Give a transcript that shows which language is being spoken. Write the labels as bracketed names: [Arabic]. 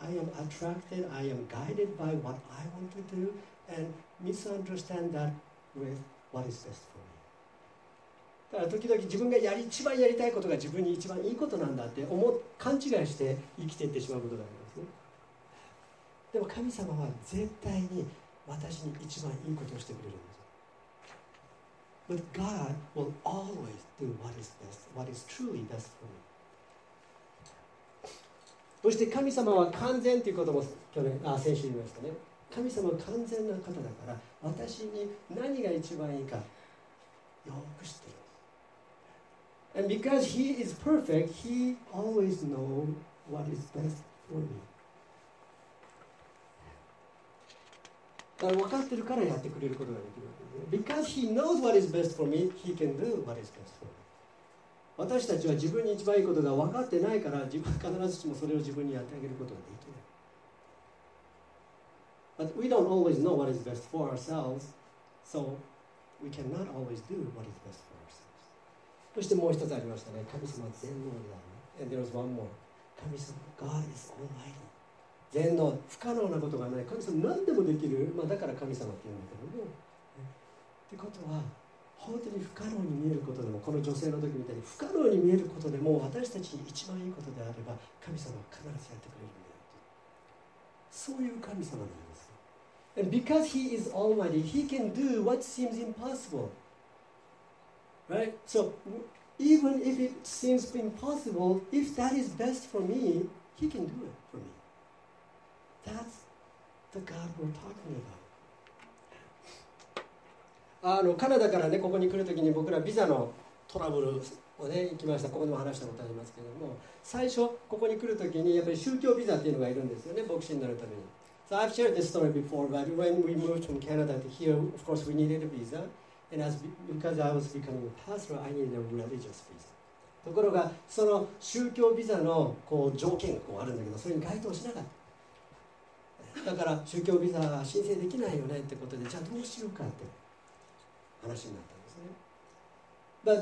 [English] I am attracted, I am guided by what I want to do, and misunderstand that with what is best for me. [Japanese] だから時々自分がやり一番やりたいことが自分に一番いいことなんだって思う勘違いして生きていってしまうことがありますね。でも神様は絶対に私に一番いいことをしてくれるんです。 [English] But God will always do what is best, what is truly best for me. [Japanese] そして神様は完全ということも先週言いましたね。神様は完全な方だから私に何が一番いいかよく知ってる。 [English] And because he is perfect, he always knows what is best for me. [Japanese] だから分かってるからやってくれることができる。 [English] Because he knows what is best for me, he can do what is best for me. [Japanese] 私たちは自分に一番いいことが分かってないから自分必ずしもそれを自分にやってあげることができない。 [English] But we don't always know what is best for ourselves, so we cannot always do what is best for ourselves. [Japanese] そしてもう一つありましたね。神様は全能である。 [English] And there's one more. 神様、God is almighty. [Japanese] 全能、不可能なことがない。神様何でもできる。まあ、だから神様って言うんだけどね。ってことは、本当に不可能に見えることでも、この女性の時みたいに不可能に見えることでも、私たちに一番いいことであれば、神様は必ずやってくれるんだよ。そういう神様なんです。 [English] And because he is almighty, he can do what seems impossible. Right? So, even if it seems impossible, if that is best for me, he can do it for me. That's the God we're talking about. [Japanese] カナダからね、ここに来るときに僕らビザのトラブルをね、行きました。ここでも話したことありますけども、最初ここに来るときにやっぱり宗教ビザっていうのがいるんですよね、牧師になるために。 [English] So I've shared this story before, but when we moved from Canada to here, of course we needed a visa, and because I was becoming a pastor, I needed a religious visa. [Japanese] ところがその宗教ビザのこう条件がこうあるんだけど、それに該当しなかった。だから宗教ビザ申請できないよねってことで、じゃあどうしようかって話になったんですね。